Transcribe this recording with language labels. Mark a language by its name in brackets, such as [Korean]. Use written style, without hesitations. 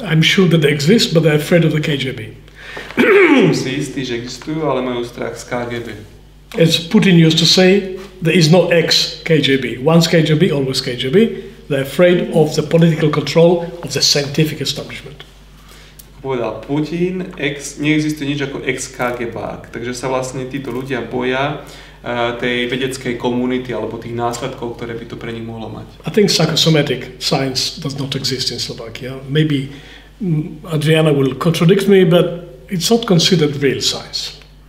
[English] I'm sure that they exist, but they're afraid of the KGB. [Slovak] Som si istý, že existujú, ale majú strach z KGB. [English] As Putin used to say, there is no ex-KGB. Once KGB, always KGB. They're afraid of the political control of the scientific establishment. [Slovak] Povedal Putin, neexistuje nič ako ex-KGBák, takže sa vlastne títo ľudia boja tej vedeckej komunity alebo tých následkov, ktoré by to pre nich mohlo mať. [English] I think psychosomatic science does not exist in Slovakia. Maybe Adriana will contradict me, but it's not considered real science.